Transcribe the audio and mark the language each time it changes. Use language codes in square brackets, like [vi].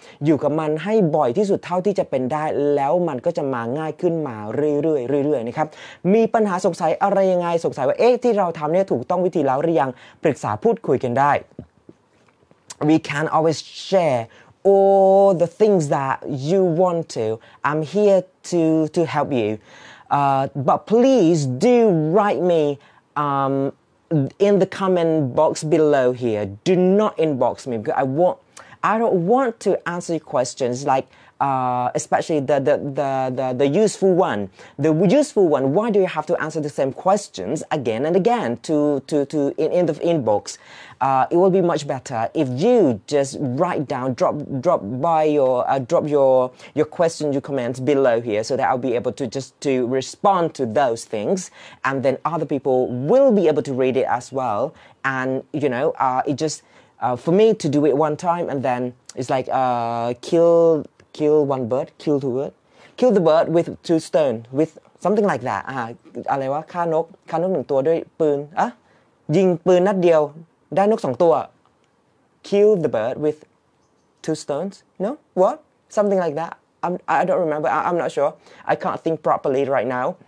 [th] อยู่กับมันให้บ่อยที่สุดเท่าที่จะเป็นได้แล้วมันก็จะมาง่ายขึ้นมาเรื่อยๆเรื่อยๆนะครับมีปัญหาสงสัยอะไรยังไงสงสัยว่าเอ๊ะที่เราทำเนี่ยถูกต้องวิธีแล้วหรือยังปรึกษาพูดคุยกันได้ [en] We can always shareAll the things that you want to, I'm here to help you. But please do write me in the comment box below here. Do not inbox me because I don't want to answer your questions, like especially the useful one. The useful one. Why do you have to answer the same questions again and again to in the inbox? It will be much better if you just write down, drop your questions, your comments below here, so that I'll be able to just to respond to those things, and then other people will be able to read it as well. And you know, it just for me to do it one time, and then it's like kill one bird, kill two bird, kill the bird with two stone, with something like that. [th] อะไรวะฆ่านกหนึ่งตัวด้วยปืนอะยิงปืนนัดเดียวได้นก2ตัว [en] kill the bird with two stones no what something like that I don't remember I'm not sure I can't think properly right now